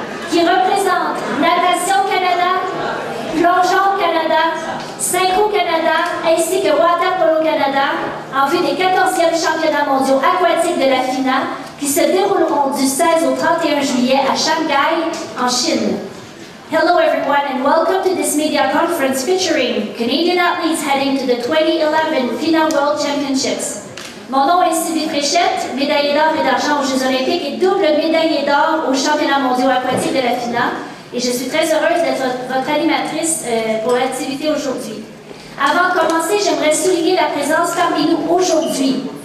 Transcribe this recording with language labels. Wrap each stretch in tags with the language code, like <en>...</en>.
<fr>qui représente Natation Canada, Plongeon Canada, Synchro Canada ainsi que Water Polo Canada en vue des 14e championnats mondiaux aquatiques de la FINA qui se dérouleront du 16 au 31 juillet à Shanghai en Chine.</fr> <en>Hello everyone and welcome to this media conference featuring Canadian athletes heading to the 2011 FINA World Championships.</en> <fr>Mon nom est Sylvie Fréchette, médaillée d'or et d'argent aux Jeux olympiques et double médaillée d'or aux championnats mondiaux aquatiques de la FINA. Et je suis très heureuse d'être votre animatrice pour l'activité aujourd'hui. Avant de commencer, j'aimerais souligner la présence parmi nous aujourd'hui.</fr>